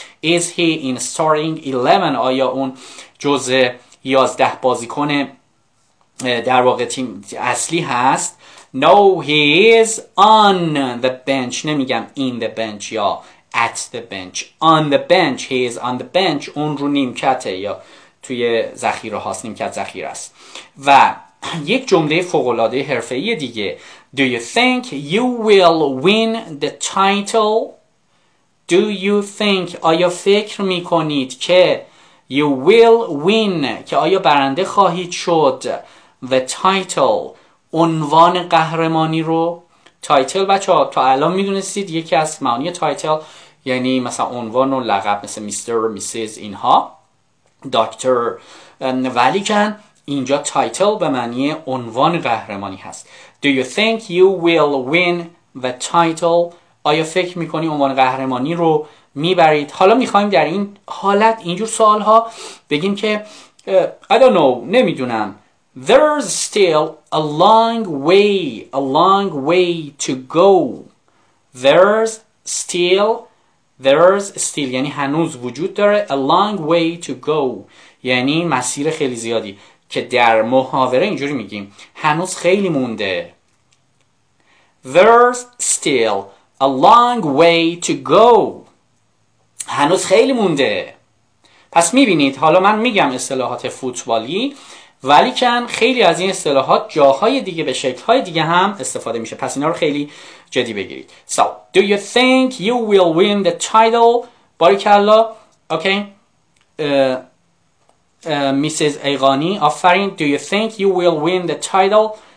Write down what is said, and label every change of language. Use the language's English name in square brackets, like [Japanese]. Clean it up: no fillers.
[English] Is he in starting 11؟ [Persian] آیا اون جزء 11 بازیکن در واقع تیم اصلی هست؟ [English] No, he is on the bench. [Persian] نمیگم [English] in the bench [Persian] یا [English] at the bench. On the bench. He is on the bench. [Persian] اون رو نیمکته یا توی ذخیره هاست. نیمکت ذخیره است. و یک جمله فوق‌العاده حرفه‌ای دیگه. [English] Do you think you will win the title? Do you think, [Persian] آیا فکر می‌کنید که [English] you will win, [Persian] که آیا برنده خواهید شد, [English] the title, [Persian] عنوان قهرمانی رو؟ تایتل بچه ها تا الان می‌دونستید یکی از معانی تایتل یعنی مثلا عنوان و لقب مثل میستر و میسیز اینها, دکتر, ولی کن اینجا تایتل به معنی عنوان قهرمانی هست. [English] Do you think you will win the title? [Persian] آیا فکر میکنی عنوان قهرمانی رو میبرید؟ حالا میخواییم در این حالت اینجور سوالها بگیم که [English] I don't know, [Persian] نمیدونم. [English] There's still a long way, a long way to go. There's still [Persian] یعنی هنوز وجود داره. [English] A long way to go [Persian] یعنی مسیر خیلی زیادی, که در محاوره اینجوری میگیم هنوز خیلی مونده. [English] There's still a long way to go. [Persian] هنوز خیلی مونده. پس میبینید حالا من میگم اصطلاحات فوتبالی, ولی کن خیلی از این اصطلاحات جاهای دیگه به شکلهای دیگه هم استفاده میشه, پس اینا رو خیلی جدی بگیرید. [English] So, do you think you will win the title? [Persian] باریکلا. [English] Okay. [Persian] Mrs. ایقانی آفرین. [English] Do you think you will win the title?